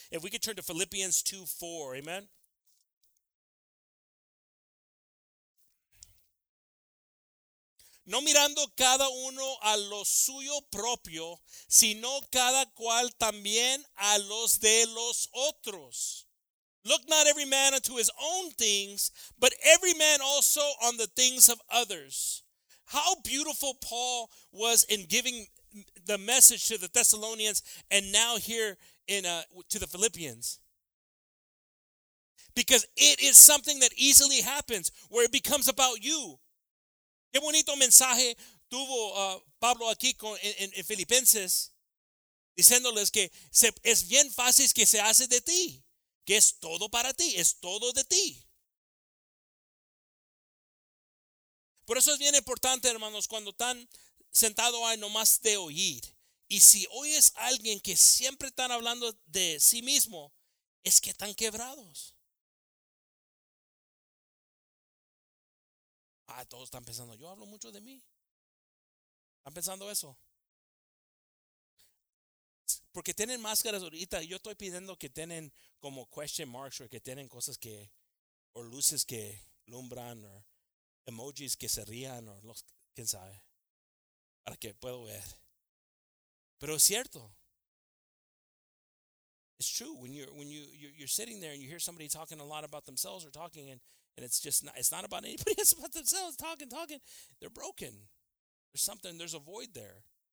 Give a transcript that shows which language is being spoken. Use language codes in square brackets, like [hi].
[en] If we could turn to Philippians 2:4, amen. [es] No mirando cada uno a lo suyo propio, sino cada cual también a los de los otros. [en] Look not every man unto his own things, but every man also on the things of others. how beautiful Paul was in giving the message to the Thessalonians and now here in to the Philippians. Because it is something that easily happens where it becomes about you. [es] Qué bonito mensaje tuvo Pablo aquí en Filipenses, diciéndoles que es bien fácil que se hace de ti, que es todo para ti, es todo de ti. Por eso es bien importante, hermanos, cuando están sentados ahí nomás de oír. Y si oyes a alguien que siempre están hablando de sí mismo, es que están quebrados. Ah, todos están pensando, yo hablo mucho de mí. ¿Están pensando eso? Porque tienen máscaras ahorita. Yo estoy pidiendo que tienen como [en] question marks [es] o que tienen cosas que, o luces que lumbran o emojis que se rían o los, quién sabe, para que puedo ver. Pero es cierto. [en] It's true. When you're sitting there and you hear somebody talking a lot about themselves or talking and it's just not, it's not about anybody, it's about themselves talking, they're broken. There's something, there's a void there.